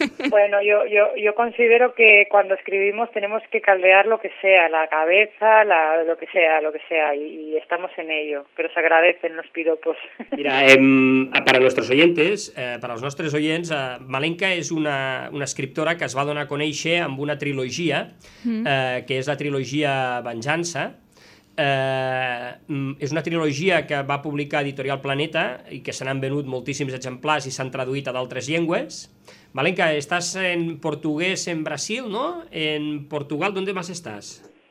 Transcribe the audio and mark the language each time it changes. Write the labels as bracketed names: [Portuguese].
[Spanish] Bueno, yo considero que cuando escribimos tenemos que caldear lo que sea, la cabeza, lo que sea, y estamos en ello, pero se agradecen los piropos. Mira, para nuestros oyentes, para los nuestros oyentes, Malenka es una [Catalan] escriptora que es va donar a conèixer amb una trilogía, [Spanish] que es la trilogía Venjança. [Catalan] És una trilogia que va publicar Editorial Planeta i que se n'han venut moltíssims exemplars i s'han traduït a d'altres llengües. Malenka, estàs en portuguès en Brasil, no? [Spanish] En Portugal, ¿dónde más estás?